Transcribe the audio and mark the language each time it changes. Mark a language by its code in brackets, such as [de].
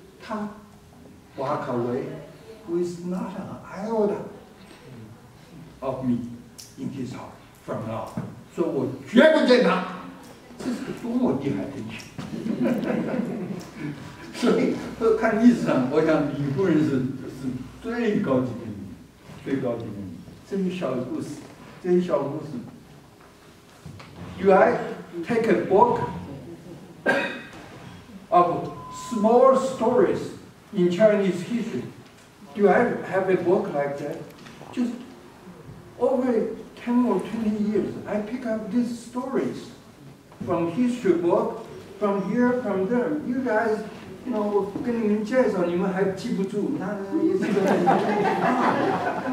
[en] 他，瓦卡维 ，with not an iota of me in his heart from now， [zh] 说我绝不见他。这是个多么厉害的人！” 所以看历史上，我想李夫人是最高级的女人，最高级的女人。这些小故事，这些小故事。 [en] You take a book of small stories in Chinese history. Do I have a book like that? Just over 10 or 20 years, I pick up these stories from history book, from here, from there. You guys. [zh] 那我跟你们介绍，你们还记不住，那也是个很重要的。